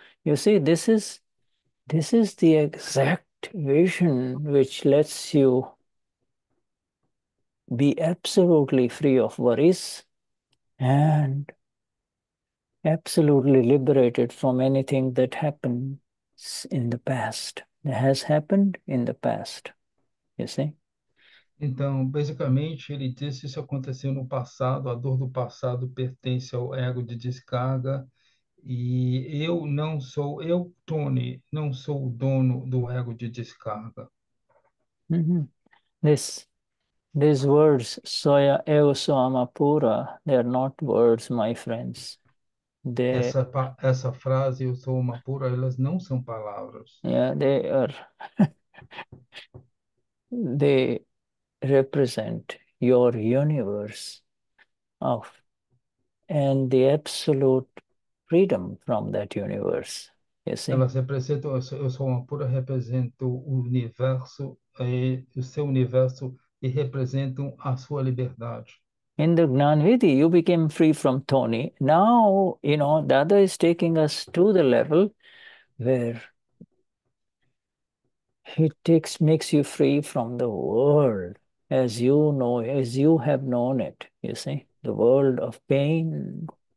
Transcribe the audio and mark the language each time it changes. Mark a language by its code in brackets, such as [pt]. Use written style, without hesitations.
[en] You see, this is the exact vision which lets you be absolutely free of worries and absolutely liberated from anything that happens in the past, that has happened in the past, you see? [pt] Então, basicamente, ele disse isso aconteceu no passado, a dor do passado pertence ao ego de descarga, e eu não sou, eu, Tony, não sou o dono do ego de descarga. [en] These words, soya [pt] eu sou [en] Amapura, they are not words, my friends. [pt] Essa frase, eu sou Amapura, elas não são palavras. [en] Yeah, they are. They represent your universe of and the absolute freedom from that universe, you see. [pt] Elas representam, eu sou Amapura, represento o universo, o seu universo, e representam a sua liberdade. [en] In the Gnanvidhi, you became free from Tony. Now, you know, Dada is taking us to the level where makes you free from the world as you know, as you have known it, you see, the world of pain.